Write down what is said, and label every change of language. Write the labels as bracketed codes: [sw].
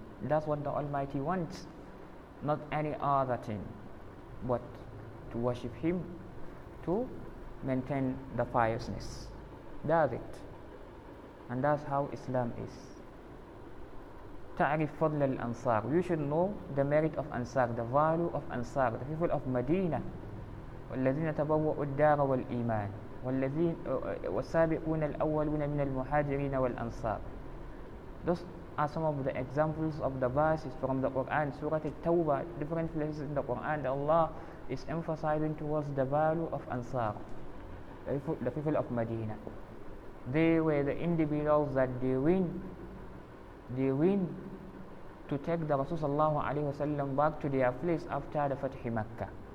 [en] That's what the Almighty wants, not any other thing, but to worship Him, to maintain the fierceness. That's it. And that's how Islam is. [ar] تعرف فضل الأنصار. [en] You should know the merit of Ansar, the value of Ansar, the people of Medina. [ar] والذين تبوأوا الدار والإيمان والذين والسابقون الأولون من المهاجرين والأنصار. [en] Those are some of the examples of the verses from the Quran, Surah At-Tawbah, different places in the Quran that Allah is emphasizing towards the value of Ansar, the people of Medina. They were the individuals that they win to take the Rasul sallallahu alayhi wa sallam back to their place after the Fatih Makkah.